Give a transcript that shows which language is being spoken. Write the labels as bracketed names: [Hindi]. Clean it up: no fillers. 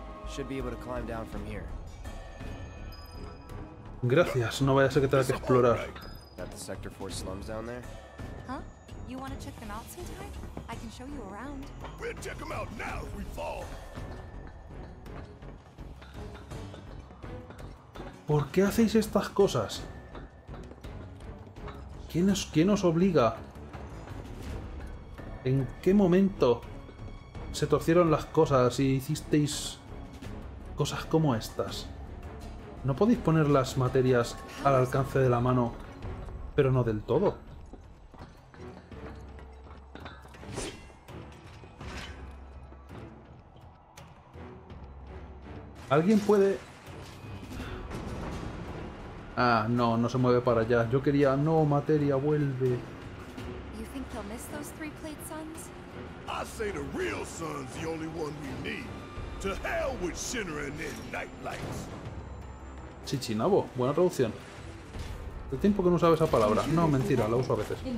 [English] Should be able to climb down from here. [Spanish] Gracias, no vaya a ser que tenga que explorar. [English] Got the sector 4 slums down there? Huh? You want to check them out sometime? I can show you around. We'll check them out now if we fall. [Spanish] ¿Por qué hacéis estas cosas? ¿Quién os obliga? ¿En qué momento? se torcieron las cosas y hicisteis cosas como estas. No podéis poner las materias al alcance de la mano, pero no del todo. ¿Alguien puede...? Ah, no, no se mueve para allá. Yo quería... No, materia, vuelve. [English] You think they'll miss those three plate sons? I say the real sun's the only one we need. To hell with Shinra and their nightlights. [Spanish] Chichinabo, buena traducción. Hace tiempo que no usaba esa palabra. No, mentira, la uso a veces.